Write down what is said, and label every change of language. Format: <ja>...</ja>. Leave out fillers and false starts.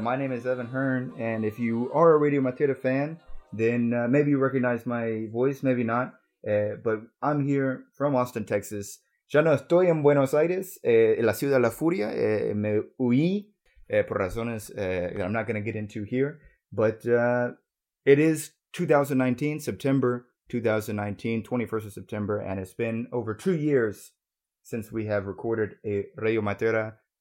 <en>My name is Evan Hearn, and if you are a Radio Matera fan, then maybe you recognize my voice, maybe not. But I'm here from Austin, Texas.</en> <es>Ya no estoy en Buenos Aires, en la ciudad de la furia. Me huí por razones</es> <en>that I'm not going to get into here. But it is 2019, September 2019, 21st of September, and it's been over 2 years since we have recorded a Radio Matera</en>